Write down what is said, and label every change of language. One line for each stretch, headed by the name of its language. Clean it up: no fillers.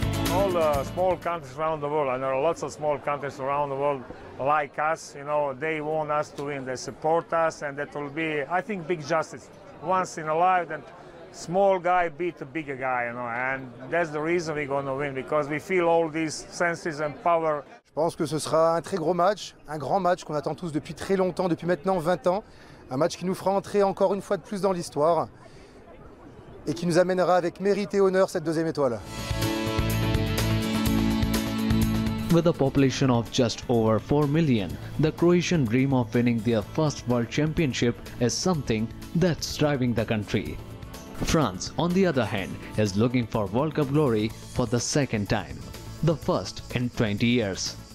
English: All the small countries around the world, and there are lots of small countries around the world like us, you know, they want us to win, they support us, and that will be, I think, big justice. Once in a life, then small guy beat a bigger guy, you know, and that's the reason we're going to win, because we feel all these senses and power.
French: Je pense que ce sera un très gros match, un grand match qu'on attend tous depuis très longtemps, depuis maintenant 20 ans, un match qui nous fera entrer encore une fois de plus dans l'histoire et qui nous amènera avec mérite et honneur cette deuxième étoile.
English: With a population of just over 4 million, the Croatian dream of winning their first world championship is something that's driving the country. France, on the other hand, is looking for World Cup glory for the second time, the first in 20 years.